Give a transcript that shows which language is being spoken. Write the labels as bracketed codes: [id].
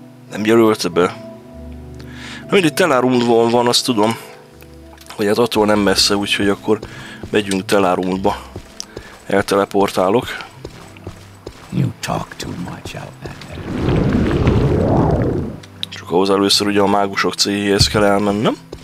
[hu] Nem jelölte be. Na mindig Telarundban van, azt tudom. Hogy hát attól nem messze, úgyhogy akkor megyünk Telarundba. Elteleportálok. [en] You talk too much out there. [hu] Ahhoz először ugye a mágusok céljéhez kell elmennem.